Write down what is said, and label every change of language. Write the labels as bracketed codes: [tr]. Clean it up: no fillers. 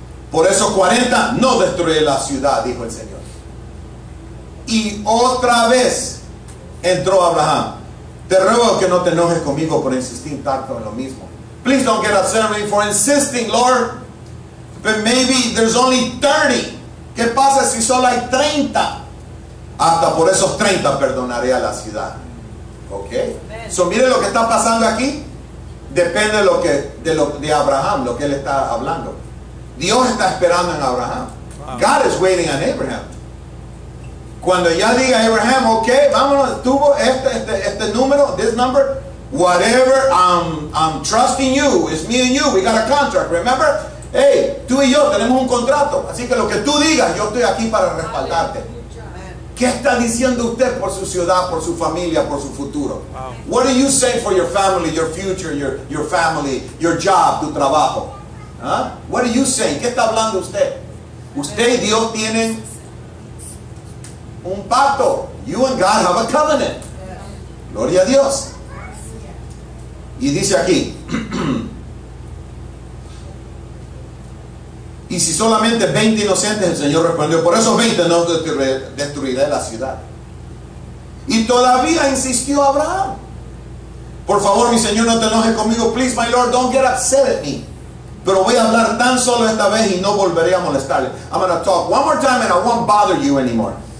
[es] Por eso 40 no destruye la ciudad, dijo el Señor. Y otra vez entró Abraham. Te ruego que no te enojes conmigo por insistir tanto en lo mismo. [en] Please don't get upset with me for insisting, Lord. But maybe there's only 30. [es] ¿Qué pasa si solo hay 30? Hasta por esos 30 perdonaré a la ciudad. Ok, so mire lo que está pasando aquí. Depende de Abraham, lo que él está hablando. Dios está esperando en Abraham. [en] God is waiting on Abraham. [es] Cuando ya diga Abraham, ok, vámonos, tuvo este número, [en] this number, whatever, I'm trusting you, it's me and you, we got a contract, remember? [es] Hey, tú y yo tenemos un contrato, así que lo que tú digas, yo estoy aquí para respaldarte. ¿Qué está diciendo usted por su ciudad, por su familia, por su futuro? [en] Wow. What do you say for your family, your future, your family, your job, [es] tu trabajo? [en] Huh? What do you say? [es] ¿Qué está hablando usted? Usted y Dios tienen un pacto. [en] You and God have a covenant. [es] Gloria a Dios. Y dice aquí. Y si solamente 20 inocentes, el Señor respondió, por esos 20 no destruiré la ciudad. Y todavía insistió Abraham. Por favor, mi Señor, no te enojes conmigo. [en] Please, my Lord, don't get upset at me. [es] Pero voy a hablar tan solo esta vez y no volveré a molestarle. [en] I'm going to talk one more time and I won't bother you anymore.